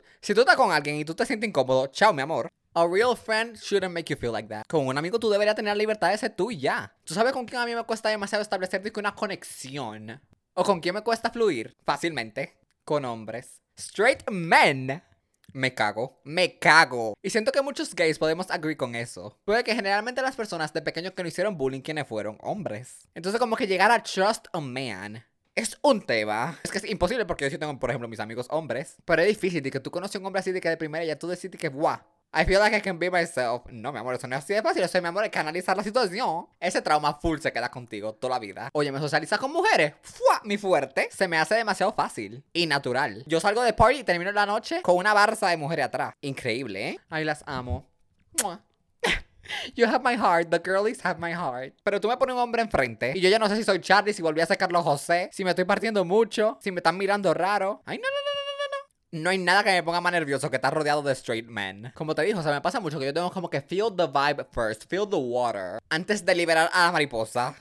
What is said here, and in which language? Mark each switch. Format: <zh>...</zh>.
<es>Si tú estás con alguien y tú te sientes incómodo, chao, mi amor.</es> <en>A real friend shouldn't make you feel like that.</en> <es>Con un amigo tú deberías tener la libertad de ser tú y ya. ¿Tú sabes con quién a mí me cuesta demasiado establecer una conexión? ¿O con quién me cuesta fluir fácilmente? Con hombres.</es> <en>Straight men.</en> <es>Me cago. Me cago. Y siento que muchos gays podemos agree con eso. Puede que generalmente las personas de pequeño que no hicieron bullying, ¿quiénes fueron? Hombres. Entonces como que llegar a</es> <en>trust a man</en> <es>es un tema. Es que es imposible porque yo sí tengo, por ejemplo, mis amigos hombres. Pero es difícil de que tú conoces a un hombre así de que de primera ya tú decides que,</es> <en>I feel like I can be myself.</en> <es>No, mi amor, eso no es así de fácil. Eso, mi amor, hay que analizar la situación. Ese trauma full se queda contigo toda la vida. Oye, me socializa con mujeres. ¡Fua! Mi fuerte. Se me hace demasiado fácil. Y natural. Yo salgo de party y termino la noche con una barza de mujeres atrás. Increíble, ¿eh? Ay, las amo. ¡Mua!</es> <en>You have my heart, the girlies have my heart.</en> <es>Pero tú me pones un hombre enfrente y yo ya no sé si soy Charlie, si volví a ser Carlos José, si me estoy partiendo mucho, si me están mirando raro. Ay, no. No hay nada que me ponga más nervioso que estar rodeado de</es> <en>straight men.</en> <es>Como te dijo, o sea, me pasa mucho que yo tengo como que</es> <en>feel the vibe first, feel the water,</en> <es>antes de liberar a la mariposa.</es>